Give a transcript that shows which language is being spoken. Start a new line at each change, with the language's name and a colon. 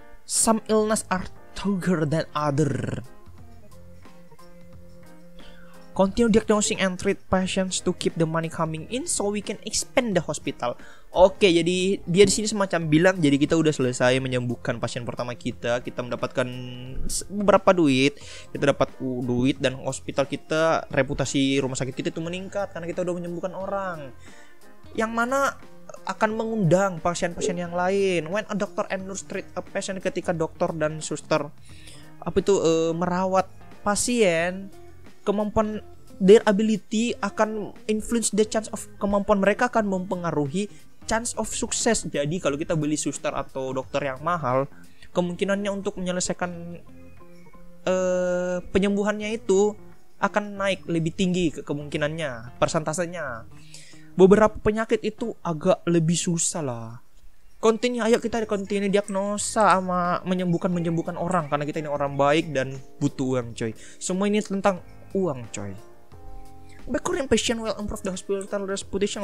English: Some illness are stronger than other. Continue diagnosing and treat patients to keep the money coming in so we can expand the hospital.
Indonesian: Oke, jadi dia di sini semacam bilang, jadi kita udah selesai menyembuhkan pasien pertama kita, kita mendapatkan beberapa duit, kita dapat duit dan hospital kita, reputasi rumah sakit kita itu meningkat karena kita udah menyembuhkan orang. Yang mana akan mengundang pasien-pasien yang lain.
English: When a doctor and nurse treat a patient,
Indonesian: ketika dokter dan suster merawat pasien, kemampuan
English: their ability
Indonesian: akan
English: influence the chance of
Indonesian: kemampuan mereka akan mempengaruhi
English: chance of success.
Indonesian: Jadi kalau kita beli suster atau dokter yang mahal, kemungkinannya untuk menyelesaikan penyembuhannya itu akan naik lebih tinggi kemungkinannya, persentasenya. Beberapa penyakit itu agak lebih susah lah. Continue, ayo kita continue diagnosa sama menyembuhkan orang, karena kita ini orang baik dan butuh uang, coy. Semua ini tentang uang, coy.
English: By curing patient will improve the hospital reputation.